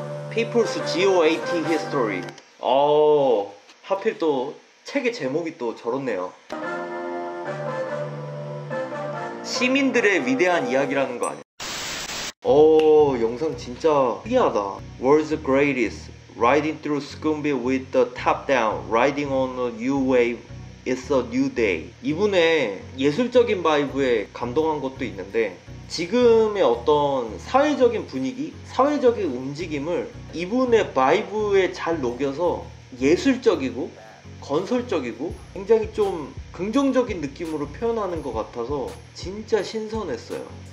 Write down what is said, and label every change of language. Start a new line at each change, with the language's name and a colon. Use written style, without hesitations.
Korean: 피플스 GOAT 히스토리. 어, 하필 또 책의 제목이 또 저렇네요. 시민들의 위대한 이야기라는 거 아니야? 오, 영상 진짜 특이하다.
English: World's greatest, riding through Scooby with the top down, riding on a new wave, it's a new day.
Korean: 이분의 예술적인 바이브에 감동한 것도 있는데 지금의 어떤 사회적인 분위기, 사회적인 움직임을 이분의 바이브에 잘 녹여서 예술적이고 건설적이고 굉장히 좀 긍정적인 느낌으로 표현하는 것 같아서 진짜 신선했어요.